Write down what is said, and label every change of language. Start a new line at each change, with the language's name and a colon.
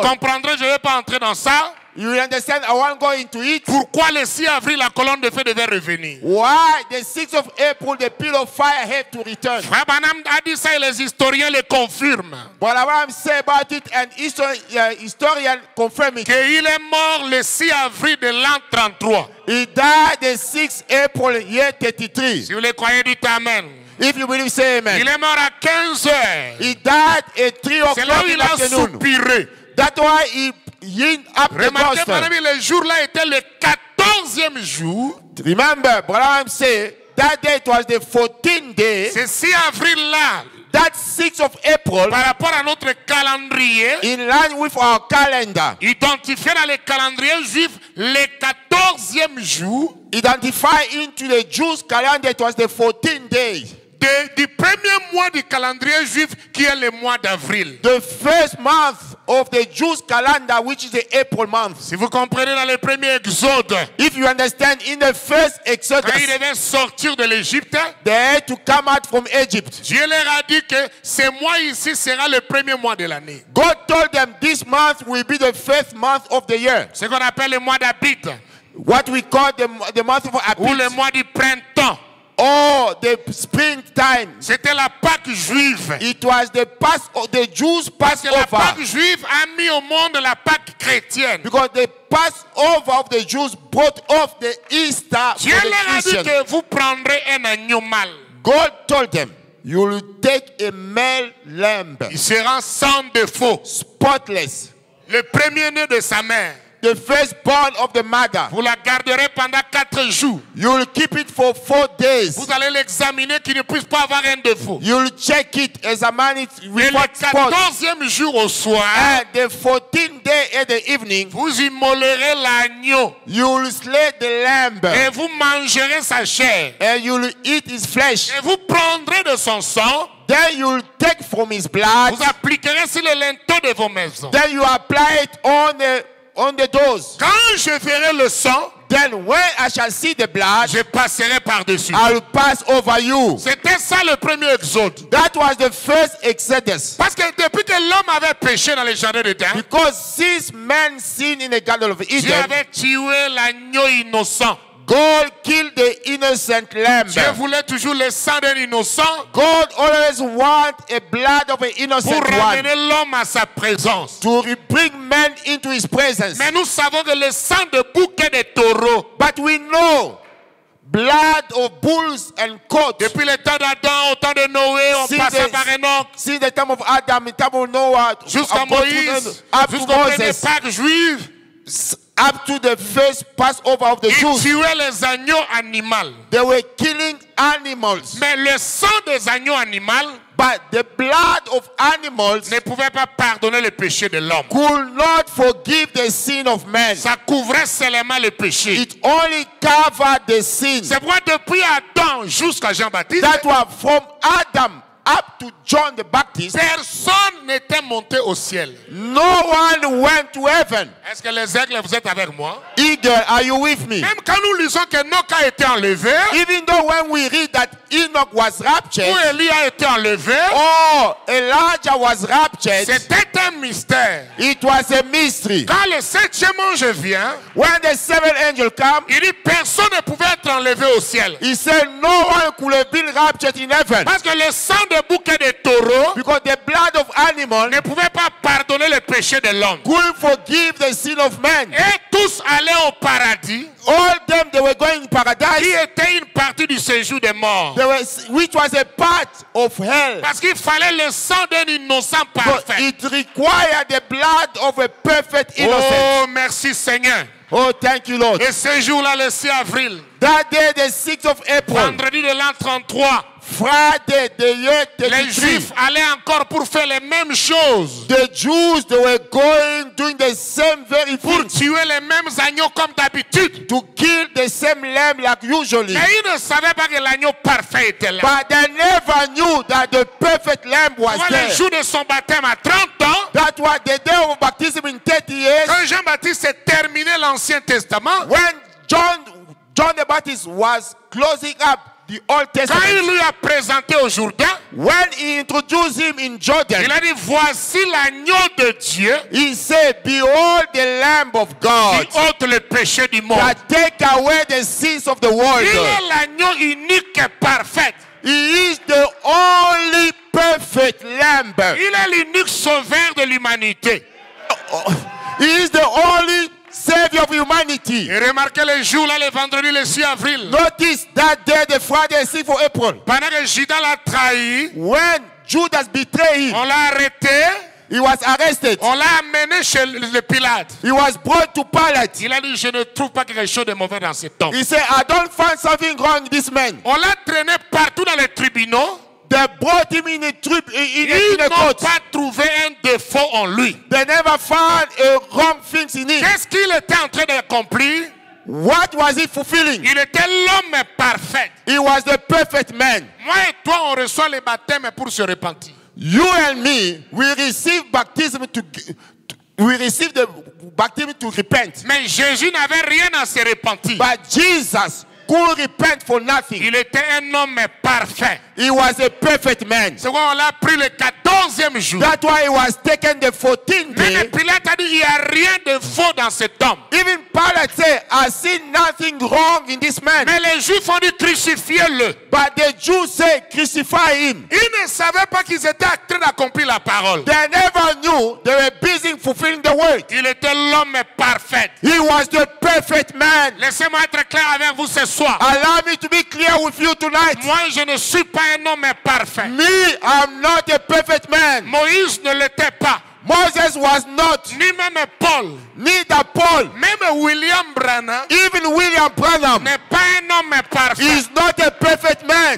French: Vous comprendrez, je ne vais pas entrer dans ça.
English: You understand? I won't go into it.
French: Pourquoi le 6 avril la colonne de feu devait revenir?
English: Why the 6th of April the pillar of fire had to return?
French: Frère Branham a dit ça et les historiens le confirment.
English: But I want to say about it and historian confirm it.
French: Qu'il est mort le 6 avril de l'an 33.
English: He died the 6th April year 33.
French: Si vous le croyez, dites amen.
English: If you believe, say amen.
French: Il est mort à 15h.
English: He died at 3 o'clock.
French: C'est là où il a soupiré.
English: That's why he yin up.
French: Remarquez, mon ami, le jour là était le 14e jour.
English: Remember, Abraham said that day it was the 14th day.
French: C'est 6 avril là.
English: That 6th of April.
French: Par rapport à notre calendrier.
English: In line with our calendar.
French: Identifié dans le calendrier juif le 14e jour.
English: Identify into the Jews' calendar it was the 14th day.
French: Du premier mois du calendrier juif qui est le mois d'avril.
English: The first month of the Jews' calendar, which is the April month.
French: Si vous comprenez dans le premier exode.
English: If you understand in the first exodus.
French: Quand ils devaient sortir de l'Égypte.
English: They had to come out from Egypt.
French: Dieu leur a dit que ce mois ici sera le premier mois de l'année.
English: God told them this month will be the first month of the year.
French: C'est qu'on appelle le mois d'Abit.
English: What we call the month of Abit.
French: Ou le mois du printemps.
English: Oh, the spring time.
French: C'était la Pâque juive.
English: It was the Passover, the Jews' Passover.
French: Parce que la Pâque juive a mis au monde la Pâque chrétienne.
English: Because the Passover of the Jews brought off the Easter for the Christians.
French: Dieu leur a dit que vous prendrez un agneau mâle.
English: God told them, you will take a male lamb.
French: Il sera sans défaut.
English: Spotless.
French: Le premier-né de sa mère.
English: The firstborn of the mother.
French: Vous la garderez pendant 4 jours.
English: You will keep it for 4 days.
French: Vous allez l'examiner qu'il ne puisse pas avoir un défaut.
English: You will check it, examine it, report spot.
French: Et le 14e jour au soir.
English: And the 14th day in the evening.
French: Vous immolerez l'agneau.
English: You will slay the lamb.
French: Et vous mangerez sa chair.
English: And you will eat his flesh.
French: Et vous prendrez de son sang.
English: Then you will take from his blood.
French: Vous appliquerez sur le linteau de vos maisons.
English: Then you apply it on the on the doors.
French: Quand je verrai le sang,
English: then when I shall see the blood,
French: je passerai par-dessus.
English: I will pass over you.
French: C'était ça le premier exode.
English: That was the first exodus.
French: Parce que depuis que l'homme avait péché dans le jardin d'Éden,
English: because since man sinned in the garden of Eden,
French: Dieu avait tué l'agneau innocent.
English: God killed the innocent lamb.
French: Dieu voulait toujours le sang d'un innocent.
English: God always want a blood of an innocent
French: pour
English: one.
French: Pour ramener l'homme à sa présence.
English: To bring man into his presence.
French: Mais nous savons que le sang de bouc et de taureau.
English: But we know blood of bulls and goats.
French: Depuis le temps d'Adam au temps de Noé, on passe par Enoch.
English: Since the time of Adam, the time of Noah,
French: jusqu'à Moïse, jusqu'au premier Pâques juive.
English: Up to the first Passover of the Jews.
French: Ils tuaient les agneaux animaux.
English: They were killing animals.
French: Mais le sang des agneaux animaux.
English: But the blood of animals.
French: Ne pouvait pas pardonner le péché de l'homme.
English: Could not forgive the sin of man.
French: Ça couvrait seulement le péché.
English: It only covered the sin.
French: C'est pourquoi depuis Adam jusqu'à Jean-Baptiste.
English: That was from Adam up to John the Baptist.
French: Personne n'était monté au ciel.
English: No one went to heaven.
French: Est-ce que les aigles, vous êtes avec moi?
English: Eagle, are you with me?
French: Même quand nous lisons que Enoch a été enlevé,
English: even though when we read that Enoch was raptured,
French: ou Elie a été enlevé,
English: or Elijah was raptured,
French: c'était un mystère.
English: It was a mystery.
French: Quand le septième ange vient,
English: when the seventh angel came,
French: il dit personne ne pouvait être enlevé au ciel.
English: He said no one could have been raptured in heaven.
French: Parce que le sang de bouquet de taureau,
English: because the blood of animals,
French: ne pouvait pas pardonner le péché de l'homme.
English: Could forgive the sin of man.
French: Et tous allaient au paradis.
English: All them they were going to paradise.
French: Qui était une partie du séjour des morts.
English: There was, which was a part of hell.
French: Parce qu'il fallait le sang d'un innocent parfait.
English: But it required the blood of a perfect innocent.
French: Oh merci Seigneur.
English: Oh thank you Lord.
French: Et ce jour-là le 6 avril.
English: That day the 6th of April.
French: Vendredi de l'an 33.
English: Friday, the year 33.
French: Les Juifs allaient encore pour faire les mêmes choses.
English: The Jews, they were going doing the same very thing.
French: Pour tuer les mêmes agneaux comme d'habitude.
English: To kill the same lamb like usually.
French: Mais ils ne savaient pas que l'agneau parfait était là.
English: But they never knew that the perfect lamb was
French: voilà
English: there.
French: Le jour de son baptême à 30 ans.
English: That was the day of baptism in 30 years.
French: Quand Jean-Baptiste s'est terminé l'Ancien Testament.
English: When John the Baptist was closing up the Old Testament.
French: Quand il lui a présenté au Jourdain,
English: when he introduced him in Jordan,
French: il a dit, voici l'agneau de Dieu.
English: He said, behold the Lamb of God.
French: Qui ôte le péché du monde.
English: That take away the sins of the world.
French: Il est l'agneau unique et parfait.
English: He is the only perfect Lamb.
French: Il est l'unique sauveur de l'humanité.
English: He is the only Savior of humanity.
French: Et remarquez les jours là, les vendredis, les 6 avril.
English: Notice that day, the Friday, 6 April.
French: Pendant que Judas l'a trahi,
English: when Judas betrayed him,
French: on l'a arrêté.
English: He was arrested.
French: On l'a amené chez le Pilate.
English: He was brought to Pilate.
French: Il a dit, je ne trouve pas quelque chose de mauvais dans cet homme.
English: He said, I don't find something wrong in this man.
French: On l'a traîné partout dans les tribunaux.
English: They brought him in a trip in
French: ils
English: a court.
French: Ils n'ont pas trouvé un défaut en lui.
English: They never found a wrong thing in him.
French: Qu'est-ce qu'il était en train d'accomplir?
English: What was he fulfilling?
French: Il était l'homme parfait.
English: He was the perfect man.
French: Moi et toi, on reçoit le baptême pour se repentir.
English: You and me, we receive baptism to repent.
French: Mais Jésus n'avait rien à se repentir.
English: But Jesus could repent for nothing.
French: Il était un homme parfait.
English: He was a perfect man.
French: C'est quoi, on l'a pris le 14e jour.
English: That's why he was taken the 14th day.
French: Mais Pilate a dit, il n'y a rien de faux dans cet homme.
English: Even Pilate said, I see nothing wrong in this man.
French: Mais les Juifs ont dit, crucifiez-le.
English: But the Jews say, crucify him.
French: Ils ne savaient pas qu'ils étaient en train d'accomplir la parole.
English: They never knew they were busy fulfilling the word.
French: Il était l'homme parfait.
English: He was the perfect man.
French: Laissez-moi être clair avec vous ce soir.
English: Allow me to be clear with you tonight.
French: Moi, je ne suis pas un homme parfait.
English: Me, I'm not a perfect man.
French: Moïse ne l'était pas.
English: Moses was not.
French: Ni même Paul.
English: Neither Paul.
French: Même William Branham.
English: Even William Branham.
French: N'est pas un homme parfait.
English: He's not a perfect man.